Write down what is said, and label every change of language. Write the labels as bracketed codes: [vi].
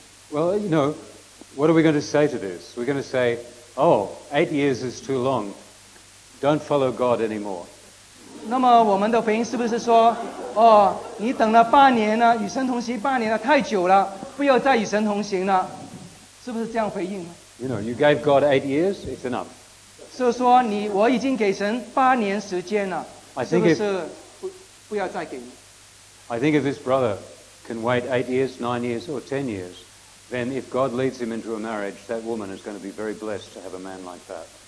[en] Well, you know, what are we going to say to this? We're going to say, oh, 8 years is too long. Don't follow God anymore. [zh] 那么我们的回应是不是说， 哦，你等了半年了， 与神同行半年了， 太久了， 不要再与神同行了。是不是这样回应呢？ [en] You know, you gave God 8 years, it's enough. [zh] 是说你， 我已经给神8年时间了， 是不是不要再给你？ [en] I think if this brother can wait 8 years, 9 years, or 10 years, then if God leads him into a marriage, that woman is going to be very blessed to have a man like that.